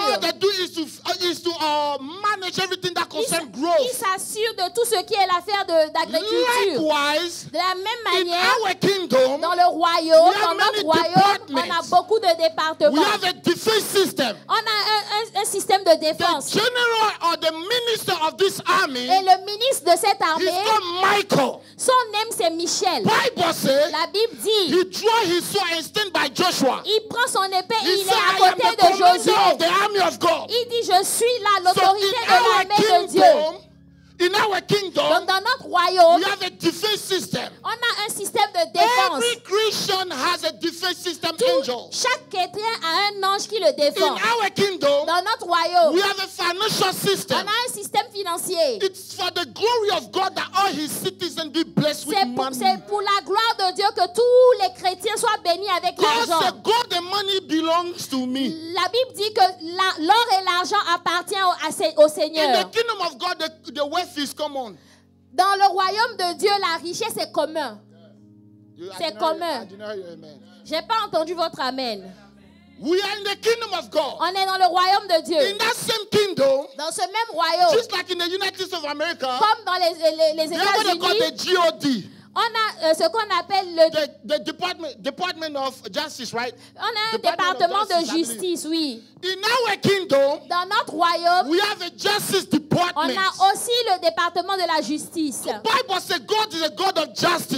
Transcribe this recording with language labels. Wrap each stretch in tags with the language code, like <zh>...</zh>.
<en>All they do is to manage everything that concerns growth.</en> <fr>Ils s'assurent de tout ce qui est l'affaire d'agriculture.</fr> <en>Likewise,</en> <fr>de la même manière,</fr> <en>in our kingdom,</en> <fr>dans le royaume, dans notre royaume, on a beaucoup de départements.</fr> <en>We have a defense system.</en> <fr>On a un système de défense.</fr> <en>The general or the minister of this army,</en> <fr>et le ministre de cette armée,</fr> <en>he's called Michael.</en> <fr>Son nom c'est Michel. La Bible dit,</fr> <en>he draw his sword and stand by Joshua.</en> <fr>Il prend son épée,</fr> <en>he</en> <fr>il</fr> <en>said,</en> <fr>est à côté de Josué.</fr> <en>Of the army of God.</en> <fr>Il dit, je suis là, l'autorité</fr> <en>so</en> <fr>de l'armée de Dieu.</fr> <en>In our kingdom,</en> <fr>donc dans notre royaume,</fr> <en>we have a defense system.</en> <fr>On a un système de défense.</fr> <en>Every Christian has a defense system angel.</en> <fr>Chaque chrétien a un ange qui le défend.</fr> <en>In our kingdom,</en> <fr>dans notre royaume,</fr> <en>we have a financial system.</en> <fr>On a un système financier.</fr> <en>It's for the glory of God that all His citizens be blessed with money.</en> <fr>C'est pour la gloire de Dieu que tous les chrétiens soient bénis avec l'argent.</fr> <en>God said, "God, the money belongs to me."</en> <fr>La Bible dit que l'or et l'argent appartient au Seigneur.</fr> <en>In the kingdom of God, the wealth is common.</en> <fr>Dans le royaume de Dieu, la richesse est commun. C'est commun. J'ai pas entendu votre amen.</fr> <en>We are in the kingdom of God.</en> <fr>On est dans le royaume de Dieu.</fr> <en>In that same kingdom,</en> <fr>dans ce même royaume,</fr> <en>just like in the United States of America,</en> <fr>comme dans les États-Unis, on a ce qu'on appelle le</fr> <en>Department of Justice, right?</en> <fr>On a un département de justice, oui.</fr> <en>In our kingdom,</en> <fr>dans notre royaume,</fr> <en>we have a justice department.</en> <fr>On a aussi le département de la justice.</fr> <en>The Bible says God is a God of justice.</en>